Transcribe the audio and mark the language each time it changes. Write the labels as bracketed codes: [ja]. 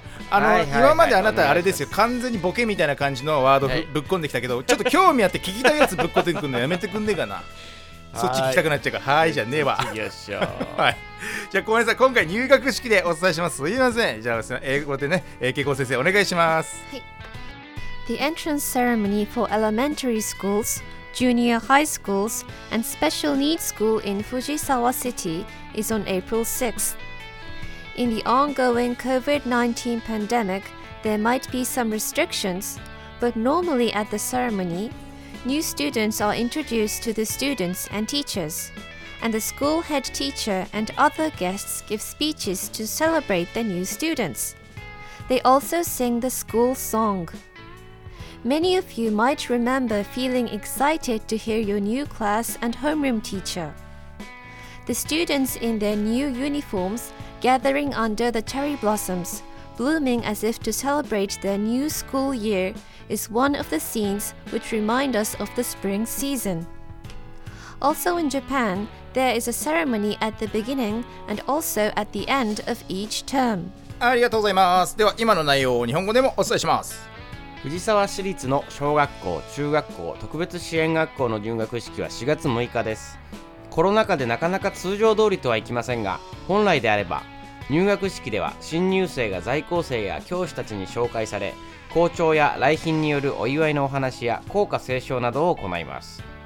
[ja] 今まであなたあれですよ、完全にボケみたいな感じのワードぶっこんできたけど、ちょっと興味あって聞きたいやつぶっこんでくんのやめてくんねえかな。そっち聞きたくなっちゃうから、はーい、じゃねえわ。よっしょ。じゃあごめんなさい、今回入学式でお伝えします。すいません。じゃあ英語でね、慶光先生お願いします。はい。 [en] The entrance ceremony for elementary schools, junior high schools, and special needs school in Fujisawa City is on April 6thIn the ongoing COVID-19 pandemic, there might be some restrictions, but normally at the ceremony, new students are introduced to the students and teachers, and the school head teacher and other guests give speeches to celebrate the new students. They also sing the school song. Many of you might remember feeling excited to hear your new class and homeroom teacher. The students in their new uniformsGathering under the cherry blossoms, blooming as if to celebrate their new school year, is one of the scenes which remind us of the spring season. Also in Japan, there is a ceremony at the beginning and also at the end of each term. [ja] ありがとうございます。では今の内容を日本語でもお伝えします。藤沢市立の小学校、中学校、特別支援学校の入学式は4月6日です。コロナ禍でなかなか通常通りとはいきませんが、本来であれば入学式では新入生が在校生や教師たちに紹介され、校長や来賓によるお祝いのお話や校歌斉唱などを行います。